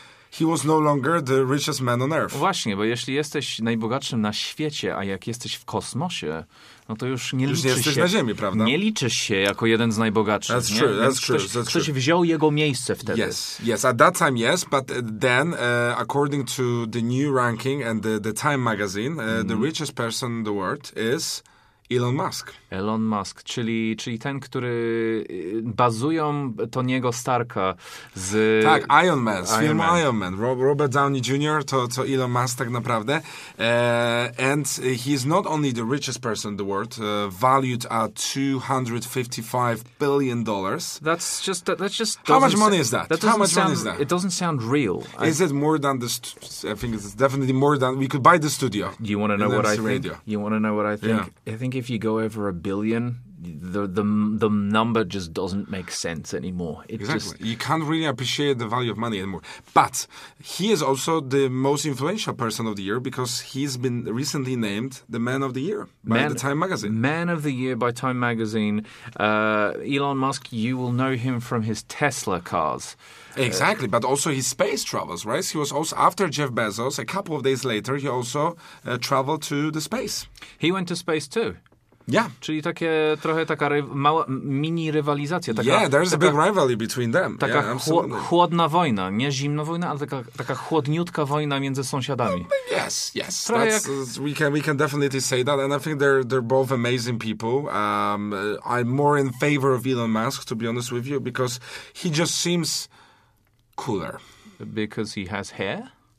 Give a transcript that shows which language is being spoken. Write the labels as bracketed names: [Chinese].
[English] He was no longer the richest man on earth. [Polish] Właśnie, bo jeśli jesteś najbogatszym na świecie, a jak jesteś w kosmosie, no to już nie liczysz się. Już nie jesteś na Ziemi, prawda? Nie liczysz się jako jeden z najbogatszych. [English] That's true, that's true. [Polish] Ktoś wziął jego miejsce wtedy. [English] Yes, at that time yes, but then, according to the new ranking and the Time magazine, the richest person in the world is... Elon Musk, [Polish] czyli ten, który bazują Tony'ego Starka z... Tak, Iron Man, Iron Man. Robert Downey Jr. to Elon Musk tak naprawdę. [English] And he's not only the richest person in the world, valued at $255 billion. How much money is that? It doesn't sound real. I think it's definitely more than... We could buy the studio. You want to know what I think? Yeah. I think if you go over a billion, the number just doesn't make sense anymore. You can't really appreciate the value of money anymore. But he is also the most influential person of the year because he's been recently named the Man of the Year by Time Magazine. Man of the Year by Time Magazine. Elon Musk, you will know him from his Tesla cars. Exactly, but also his space travels, right? He was also, after Jeff Bezos, a couple of days later, he also traveled to the space. He went to space too. Yeah. [Polish] Czyli takie trochę taka mała mini rywalizacja. [English] Yeah, there is a big rivalry between them. [Polish] Taka chłodna wojna, nie zimna wojna, ale taka chłodniutka wojna między sąsiadami. [English] Yes. We can definitely say that, and I think they're both amazing people. I'm more in favor of Elon Musk, to be honest with you, because he just seems cooler. Because he has hair?